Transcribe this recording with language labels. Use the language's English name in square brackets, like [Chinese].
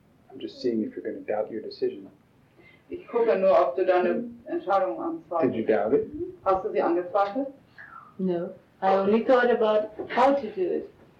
[English] I'm just seeing if you're going to doubt your decision. [German] Ich gucke nur, ob du deine Entscheidung anzweifelst. [English] Did you doubt it? [German] Hast du sie angezweifelt? [English] No. I only thought about how to do it.